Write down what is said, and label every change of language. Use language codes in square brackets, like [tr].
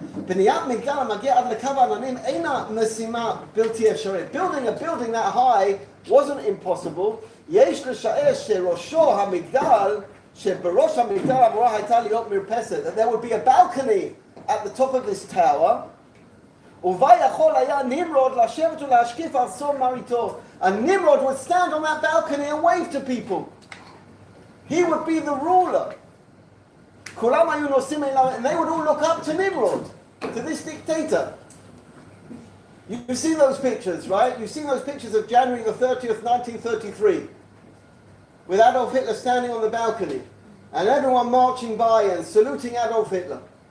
[he] בניית מגדל המגיע עד לקו העננים אינה משימה בלתי אפשרית. [en] Building a building that high wasn't impossible. [he] יש לשער שראשו המגדל, שבראש המגדל אמורה הייתה להיות מרפסת, [en] that there would be a balcony at the top of this tower, [he] ובה יכול היה נמרוד לשבת ולהשקיף על סון מריתו. [en] And Nimrod would stand on that balcony and wave to people. He would be the ruler. [he] Kulam ayu nosim elav, [en] and they would all look up to Nimrod, to this dictator. You've seen those pictures, right? You've seen those pictures of January the 30th, 1933, with Adolf Hitler standing on the balcony, and everyone marching by and saluting Adolf Hitler.